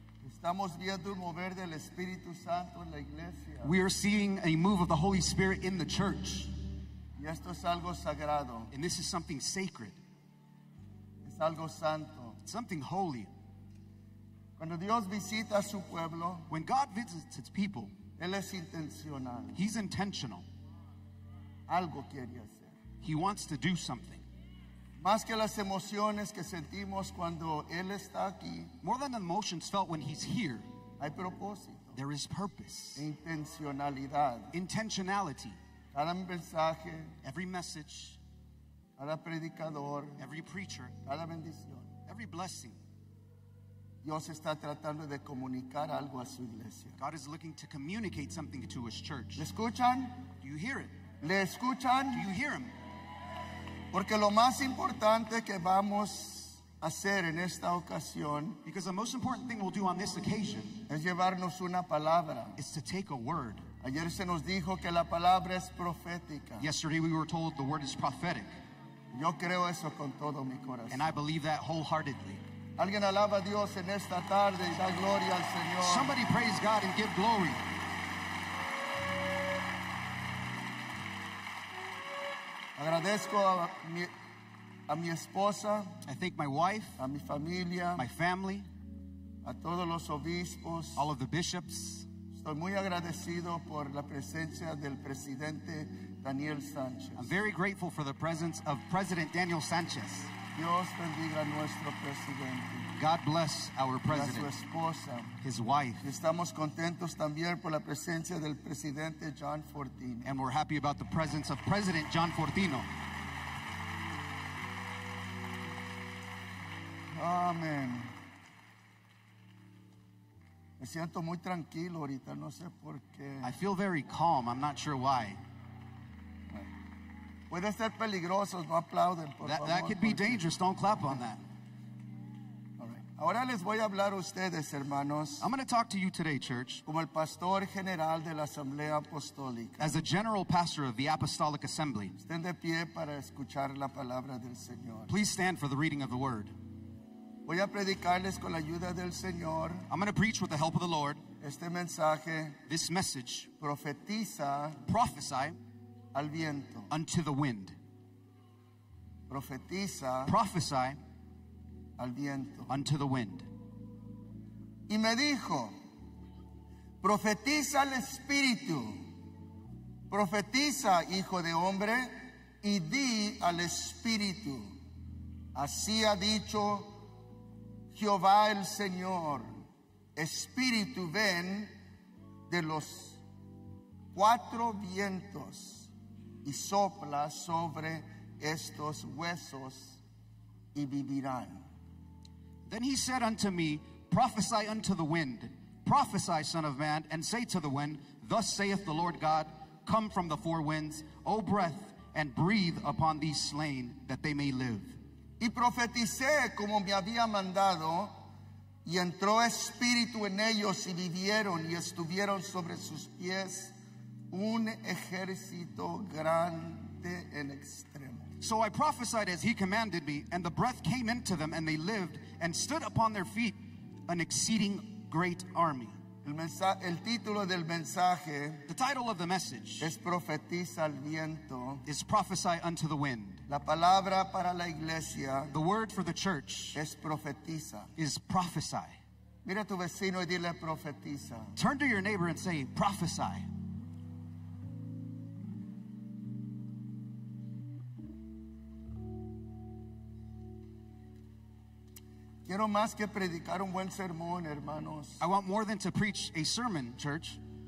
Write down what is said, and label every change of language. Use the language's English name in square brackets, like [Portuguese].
[Spanish] Estamos viendo el mover del Espíritu Santo en la iglesia. [English] We are seeing a move of the Holy Spirit in the church. [Spanish] Y esto es algo sagrado. [English] And this is something sacred. [Spanish] Es algo santo. [English] It's something holy. [Spanish] Cuando Dios visita a su pueblo, [English] when God visits his people, [Spanish] él es intencional. [English] He's intentional. [Spanish] Algo quiere hacer. [English] He wants to do something. [Spanish] Más que las emociones que sentimos cuando él está aquí, [English] more than the emotions felt when he's here, [Spanish] hay propósito. [English] There is purpose. [Spanish] Intencionalidad. [English] Intentionality. [Spanish] Cada mensaje, [English] every message, [Spanish] cada predicador, [English] every preacher, [Spanish] cada bendición, [English] every blessing. [Spanish] Dios está tratando de comunicar algo a su iglesia. [English] God is looking to communicate something to his church. [Spanish] ¿Le escuchan? [English] Do you hear it? [Spanish] ¿Le escuchan? [English] Do you hear him? [Spanish] Porque lo más importante que vamos a hacer en esta ocasión, [English] because the most important thing we'll do on this occasion, [Spanish] es llevarnos una palabra. [English] Is to take a word. [Spanish] Ayer se nos dijo que la palabra es profética. [English] Yesterday we were told the word is prophetic. [Spanish] Yo creo eso con todo mi corazón. [English] And I believe that wholeheartedly. [Spanish] Alguien alaba a Dios en esta tarde y da gloria al Señor. [English] Somebody praise God and give glory. [Spanish] Agradezco a mi esposa. [English] I thank my wife. [Spanish] A mi familia. [English] My family. [Spanish] A todos los obispos. [English] All of the bishops. [Spanish] Estoy muy agradecido por la presencia del presidente Daniel Sánchez. [English] I'm very grateful for the presence of President Daniel Sánchez. [Spanish] Dios bendiga a nuestro presidente. [English] God bless our president. [Spanish] Y a su esposa. [English] His wife. [Spanish] Estamos contentos también por la presencia del presidente John Fortino. [English] And we're happy about the presence of President John Fortino. Amen. [Spanish] Me siento muy tranquilo ahorita, no sé por qué. [English] I feel very calm. I'm not sure why. [Spanish] Puede ser peligroso, no aplauden, por favor. [English] That could be dangerous. Don't clap on that. [Spanish] Ahora les voy a hablar a ustedes, hermanos. [English] I'm going to talk to you today, church. [Spanish] Como el pastor general de la Asamblea Apostólica. [English] As a general pastor of the Apostolic Assembly. [Spanish] Estén de pie para escuchar la palabra del Señor. [English] Please stand for the reading of the word. [Spanish] Voy a predicarles con la ayuda del Señor. [English] I'm going to preach with the help of the Lord. [Spanish] Este mensaje. [English] This message. [Spanish] Profetiza. [English] Prophesy. [Spanish] Al viento. [English] Unto the wind. [Spanish] Profetiza. [English] Prophesy. [Spanish] Al viento. [English] Unto the wind. [Spanish] Y me dijo, profetiza al espíritu. Profetiza, hijo de hombre, y di al espíritu. Así ha dicho Jehová el Señor. Espíritu, ven de los cuatro vientos y sopla sobre estos huesos y vivirán. [English] Then he said unto me, prophesy unto the wind, prophesy, son of man, and say to the wind, thus saith the Lord God, come from the four winds, O breath, and breathe upon these slain, that they may live. [Spanish] Y profeticé como me había mandado, y entró espíritu en ellos, y vivieron, y estuvieron sobre sus pies un ejército grande en extremo. [English] So I prophesied as he commanded me, and the breath came into them, and they lived, and stood upon their feet an exceeding great army. [Spanish] El título del mensaje, [English] the title of the message, [Spanish] es profetiza al viento, [English] is prophesy unto the wind. [Spanish] La palabra para la iglesia, [English] the word for the church, [Spanish] es profetiza, [English] is prophesy. [Spanish] Mira tu vecino y dile profetiza. [English] Turn to your neighbor and say, prophesy. [Spanish] Quiero más que predicar un buen sermón, hermanos. [English] I want more than to preach a sermon, church.